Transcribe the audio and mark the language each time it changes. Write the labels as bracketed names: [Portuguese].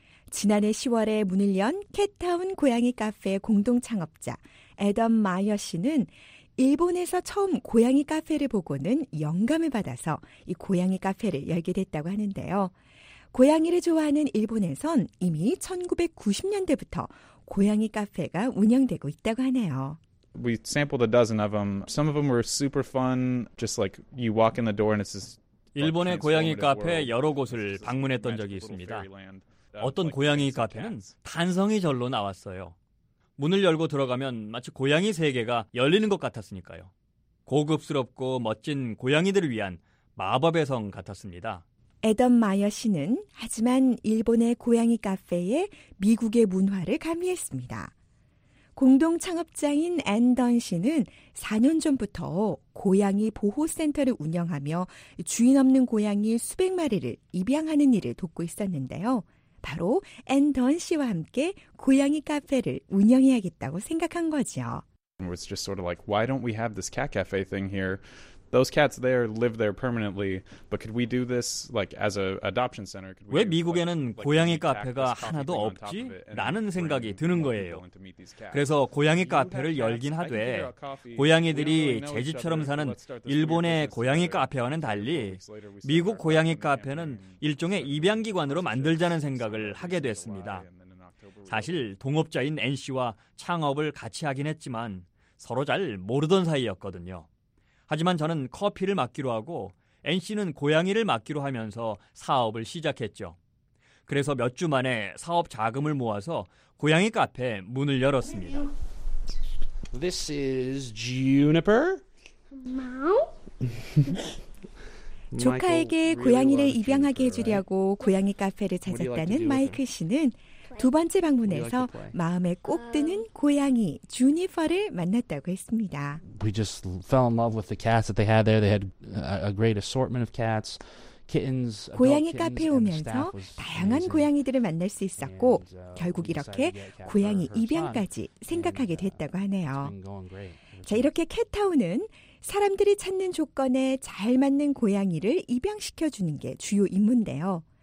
[Korean] 지난해 10월에 문을 연 캣타운 고양이 카페의 공동 창업자 애덤 마이어 씨는 일본에서 처음 고양이 카페를 보고는 영감을 받아서 이 고양이 카페를 열게 됐다고 하는데요. 고양이를 좋아하는 일본에선 이미 1990년대부터 고양이 카페가 운영되고 있다고 하네요. [English] We sampled a dozen of them. Some of them were super fun, just like you walk in the door and it's just [Korean] 일본의 고양이 카페 여러 곳을 방문했던 적이 있습니다. 어떤 고양이 카페는 탄성이 절로 나왔어요. 문을 열고 들어가면 마치 고양이 세계가 열리는 것 같았으니까요. 고급스럽고 멋진 고양이들을 위한 마법의 성 같았습니다. 애덤 마이어 씨는 하지만 일본의 고양이 카페에 미국의 문화를 가미했습니다. 공동 창업자인 앤던 씨는 4년 전부터 고양이 보호센터를 운영하며 주인 없는 고양이 수백 마리를 입양하는 일을 돕고 있었는데요. 바로 앤던 씨와 함께 고양이 카페를 운영해야겠다고 생각한 거죠. [English] It was just sort of like, why don't we have this cat cafe thing here? Those cats there live there permanently, but could we do this like as a adoption center? [Korean] 왜 미국에는 고양이 카페가 하나도 없지? 라는 생각이 드는 거예요. 그래서 고양이 카페를 열긴 하되 고양이들이 제 집처럼 사는 일본의 고양이 카페와는 달리 미국 고양이 카페는 일종의 입양 기관으로 만들자는 생각을 하게 됐습니다. 사실 동업자인 NC와 창업을 같이 하긴 했지만 서로 잘 모르던 사이였거든요. 하지만 저는 커피를 맡기로 하고 NC는 고양이를 맡기로 하면서 사업을 시작했죠. 그래서 몇 주 만에 사업 자금을 모아서 고양이 카페 문을 열었습니다. [English] This is Juniper. [Korean] 조카에게 고양이를 입양하게 해주려고 고양이 카페를 찾았다는 마이클 씨는 두 번째 방문에서 마음에 꼭 드는 고양이 주니퍼를 만났다고 했습니다. [English] We just fell in love with the cats that they had there. They had a great assortment of cats, kittens. [Korean] 고양이 카페에 오면서 다양한 고양이들을 만날 수 있었고 결국 이렇게 고양이 입양까지 생각하게 됐다고 하네요. 자, 이렇게 캣타운은 사람들이 찾는 조건에 잘 맞는 고양이를 입양시켜 주는 게 주요 임무인데요.